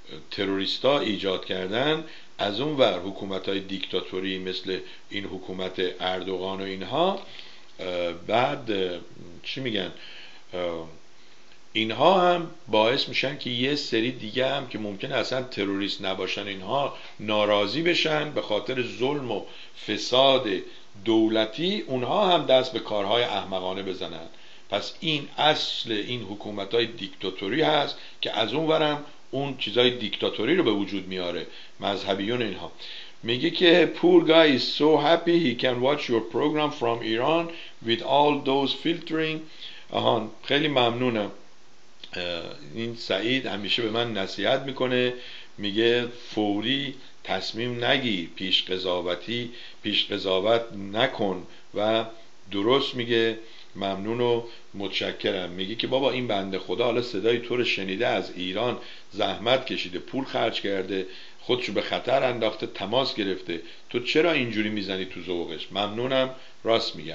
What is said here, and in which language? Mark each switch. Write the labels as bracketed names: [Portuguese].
[Persian] تروریست ها ایجاد کردن، از اون ور حکومت های دیکتاتوری مثل این حکومت اردوغان و اینها، بعد چی میگن، اینها هم باعث میشن که یه سری دیگه هم که ممکنه اصلا تروریست نباشن اینها ناراضی بشن به خاطر ظلم و فساد دولتی، اونها هم دست به کارهای احمقانه بزنن. پس این اصل این حکومت های دیکتاتوری هست که از اون ورم اون چیزای دیکتاتوری رو به وجود میاره، مذهبیون اینها. میگه که [English] poor guy is so happy he can watch your program from Iran with all those filtering. [Persian] آهان، خیلی ممنونم. این سعید همیشه به من نصیحت میکنه، میگه فوری تصمیم نگیر، پیش قضاوت نکن، و درست میگه. ممنون و متشکرم. میگه که بابا این بنده خدا حالا صدای تو رو شنیده، از ایران زحمت کشیده، پول خرج کرده، خودشو به خطر انداخته، تماس گرفته، تو چرا اینجوری میزنی تو ذوقش؟ ممنونم، راست میگه.